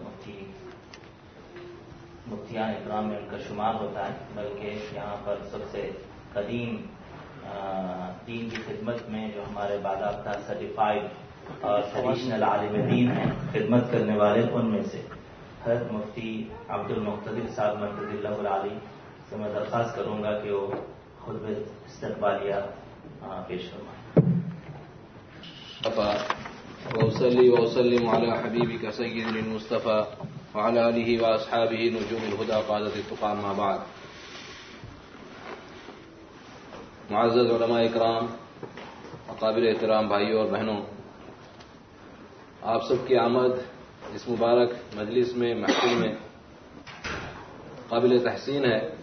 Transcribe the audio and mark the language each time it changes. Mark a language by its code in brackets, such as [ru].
[ur] مفتیان اکرام میں ان کا شمار ہوتا ہے، بلکہ یہاں پر سب سے قدیم دین کی خدمت میں جو ہمارے باضابطہ سرٹیفائڈ اور ٹریڈیشنل عالم دین ہیں خدمت کرنے والے، ان میں سے حضرت مفتی عبد المقتدر صاحب منتظر اللہ العالی سے میں درخواست کروں گا کہ وہ خود بھی استقبالیہ پیش کروائیں. [ar] وسلم وسلم على حبيبك سيد المصطفى وعلى اله واصحابه نجوم الهدى قادة التقى، ما بعد. [ur] معزز علماء اکرام، قابل احترام بھائیوں اور بہنوں، آپ سب کی آمد اس مبارک مجلس میں، محفل میں قابل تحسین ہے.